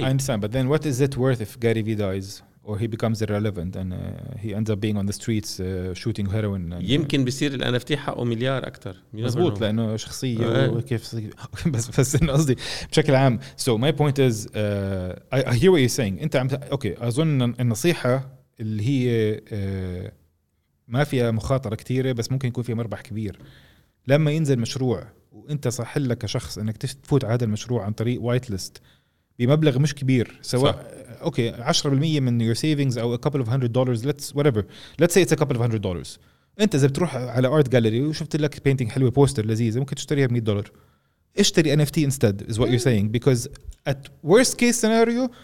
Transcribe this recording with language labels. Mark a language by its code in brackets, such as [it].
[en] I understand, but then what is it worth if Gary Vee dies or he becomes irrelevant and he ends up being on the streets shooting heroin? [ar] يمكن بيصير الـ NFT حقه مليار أكتر. مزبوط لأنه شخصية وكيف بس إنه قصدي بشكل عام. [en] So my point is I hear what you're saying. [ar] أنت عم okay أظن النصيحة اللي هي ما فيها مخاطرة كتيرة بس ممكن يكون فيها مربح كبير لما ينزل مشروع وأنت صح لك كشخص إنك تفوت على هذا المشروع عن طريق وايت ليست بمبلغ مش كبير سواء صح. اوكي [en] 10% [ar] من [en] your savings [ar] او [en] a couple of hundred dollars let's whatever let's say it's a couple of hundred dollars [ar] انت اذا بتروح على [en] art gallery [ar] وشفت لك [en] painting [ar] حلوه [en] poster [ar] لذيذ ممكن تشتريها ب [en] $100 [ar] اشتري [en] NFT instead is what you're saying because at worst case scenario